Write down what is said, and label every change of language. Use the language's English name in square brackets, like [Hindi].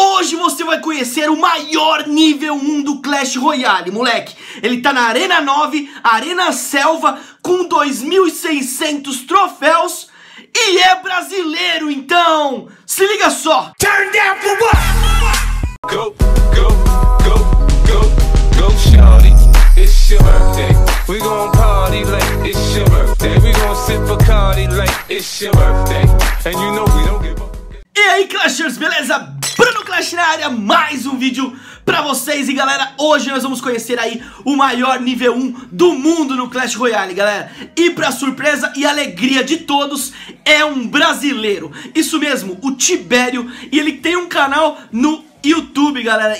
[Portuguese] hoje você vai conhecer o maior nível 1 do Clash Royale, moleque. Ele tá na Arena 9, Arena Selva, com 2.600 troféus e é brasileiro, então se liga só. [English] Turn down for what? Go, go, go, go, go, shawty, it's your birthday. We gon' party like it's your birthday. We gon' sip a Cardi like it's your birthday. And you know we don't give up. [Portuguese] E aí, Clashers, beleza? Bruno Clash na área, mais um vídeo pra vocês. E galera, hoje nós vamos conhecer aí o maior nível 1 do mundo no Clash Royale, galera. E pra surpresa e alegria de todos, é um brasileiro. Isso mesmo, o Tibério. E ele tem um canal no YouTube, galera.